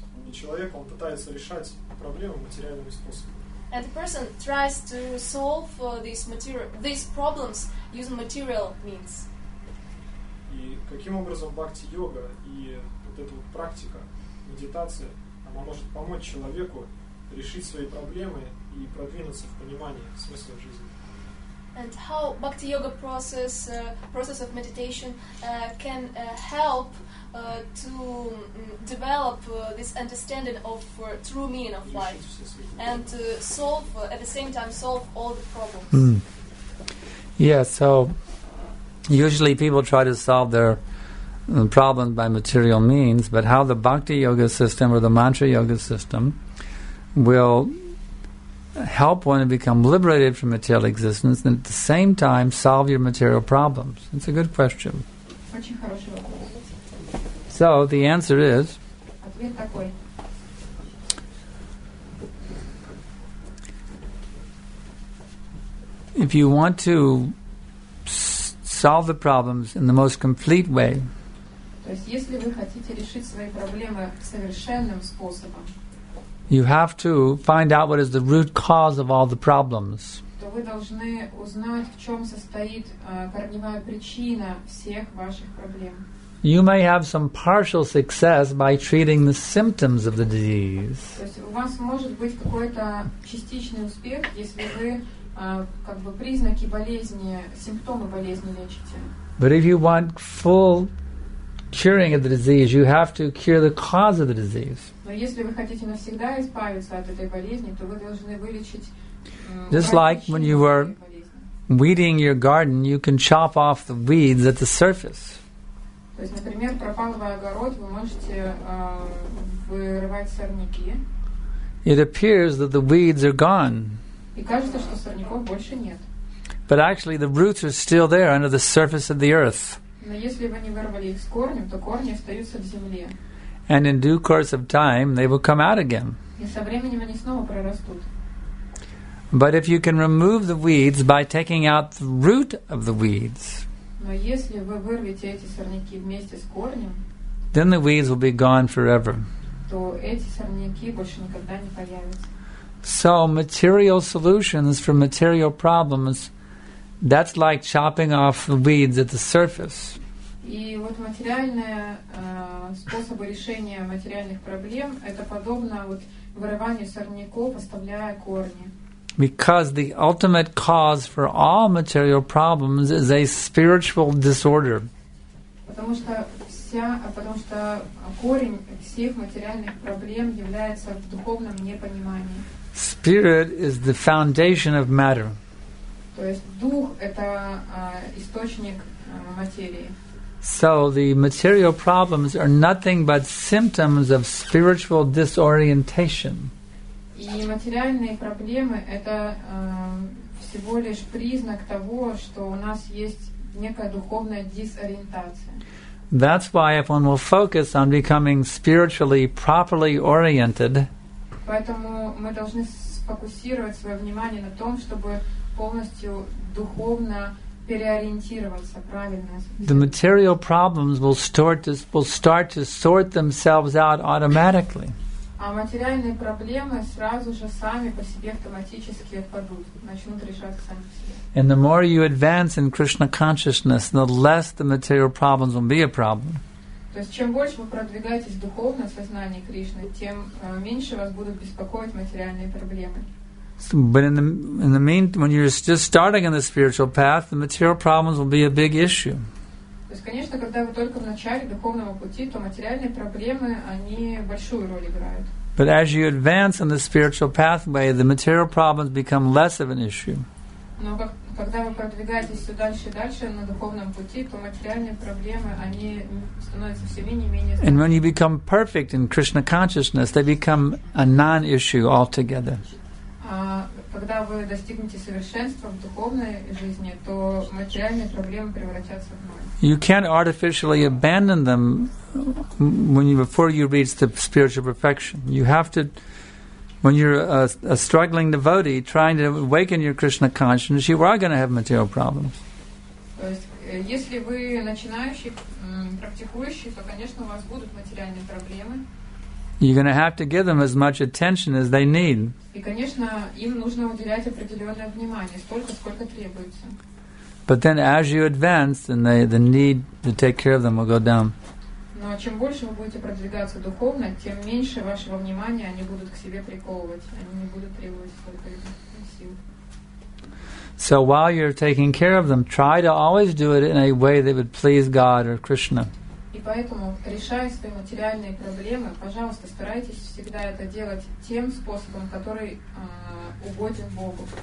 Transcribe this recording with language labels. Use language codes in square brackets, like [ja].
[ru] Человек, он пытается решать проблемы материальными способами. [en] And the person tries to solve these problems using material means. [ru] И каким образом бхакти-йога и вот эта вот практика, медитация, она может помочь человеку решить свои проблемы и продвинуться в понимании смысла жизни. [en] And how bhakti yoga process process of meditation can help to develop this understanding of true meaning of life and to solve at the same time solve all the problems. Mm. Yeah, so usually people try to solve their problems by material means, but how the bhakti yoga system or the mantra yoga system will help one to become liberated from material existence and at the same time solve your material problems? It's a good question. [ru] Очень хороший вопрос. [en] So the answer is. [ru] Ответ такой. [en] If you want to solve the problems in the most complete way, [ru] то есть, если вы хотите решить свои проблемы совершенным способом, [en] you have to find out what is the root cause of all the problems. [ru] То вы должны узнать, в чем состоит корневая причина всех ваших проблем. [en] You may have some partial success by treating the symptoms of the disease. [ru] То есть, у вас может быть какой-то частичный успех, если вы как бы признаки болезни, симптомы болезни лечите. [en] But if you want full curing of the disease, you have to cure the cause of the disease. [ru] Но если вы хотите навсегда избавиться от этой болезни, то вы должны вылечить. [en] Just like when you were weeding your garden, you can chop off the weeds at the surface. [ru] То есть, например, пропалывая огород, вы можете вырывать сорняки. [en] It appears that the weeds are gone. [ru] И кажется, что сорняков больше нет. [en] But actually, the roots are still there under the surface of the earth. [ru] Но если вы не вырвали их с корнем, то корни остаются в земле. [en] And in due course of time, they will come out again. [ru] И со временем они снова прорастут. [en] But if you can remove the weeds by taking out the root of the weeds, [ru] но если вы вырвете эти сорняки вместе с корнем, [en] then the weeds will be gone forever. [ru] То эти сорняки больше никогда не появятся. [en] So material solutions for material problems, that's like chopping off the weeds at the surface. [ru] И вот материальные способы решения материальных проблем, это подобно вот вырыванию сорняков, оставляя корни. [en] Because the ultimate cause for all material problems is a spiritual disorder. [ru] Потому что вся, потому что корень всех материальных проблем является в духовном непонимании. [en] Spirit is the foundation of matter. [ru] То есть дух это источник материи. [en] So the material problems are nothing but symptoms of spiritual disorientation. [ru] И материальные проблемы это всего лишь признак того, что у нас есть некая духовная дисориентация. [en] That's why if one will focus on becoming spiritually properly oriented, [ru] поэтому мы должны сфокусировать свое внимание на том, чтобы полностью духовно переориентироваться правильно. [en] The material problems will start to sort themselves out automatically. [ru] А материальные проблемы сразу же сами по себе автоматически отпадут, начнут решаться сами по себе. [en] And the more you advance in Krishna consciousness, the less the material problems will be a problem. [ru] То есть, чем больше вы продвигаетесь в духовном сознании Кришны, тем меньше вас будут беспокоить материальные проблемы. [en] So, but in the meantime, when you're just starting on the spiritual path, the material problems will be a big issue. [ru] То есть, конечно, когда вы только в начале духовного пути, то материальные проблемы, они большую роль играют. [en] But as you advance on the spiritual pathway, the material problems become less of an issue. [ru] Но когда вы продвигаетесь все дальше и дальше на духовном пути, то материальные проблемы, они становятся все менее и менее. [en] And when you become perfect in Krishna consciousness, they become a non-issue altogether. [ru] Когда вы достигнете совершенства в духовной жизни, то материальные проблемы превратятся в ноль. [en] You can't artificially abandon them before you reach the spiritual perfection. You have to. When you're a struggling devotee trying to awaken your Krishna consciousness, you are going to have material problems. [ru] То есть, если вы начинающий, практикующий, то, конечно, у вас будут материальные проблемы. [en] You're going to have to give them as much attention as they need. [ru] И, конечно, им нужно уделять определенное внимание, столько, сколько требуется. [en] But then as you advance, then the need to take care of them will go down. [ru] Но чем больше вы будете продвигаться духовно, тем меньше вашего внимания они будут к себе приковывать. Они не будут требовать столько сил. [en] So while you're taking care of them, try to always do it in a way that would please God or Krishna. [ru] И поэтому, решая свои материальные проблемы, пожалуйста, старайтесь всегда это делать тем способом, который угоден Богу.